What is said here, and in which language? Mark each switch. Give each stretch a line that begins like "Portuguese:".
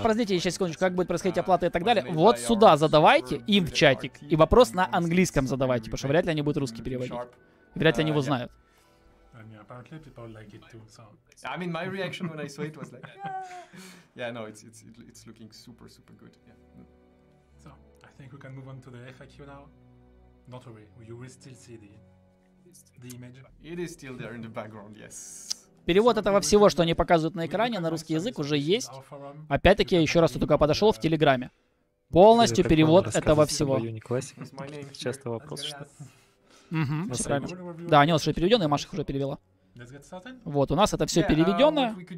Russian: про зрителей, сейчас секундочку, как будет происходить оплата и так далее. Вот сюда задавайте, им в чатик, и вопрос на английском задавайте, потому что вряд ли они будут русский переводить. Вряд ли они его знают.
English: I mean, my reaction when I saw it was like, yeah, no, it's looking super, super good. So, I think we can move on to the FAQ now. Not worry, you will still see the image. It is still there in the background, yes.
Russian: Перевод этого всего, что они показывают на экране, на русский язык уже есть. Опять-таки, я еще раз только подошел в Телеграме. Полностью перевод этого всего. Часто вопрос, что? Угу, правильно. Да, они у нас уже переведены, Маша их уже перевела. Вот, у нас это все переведено.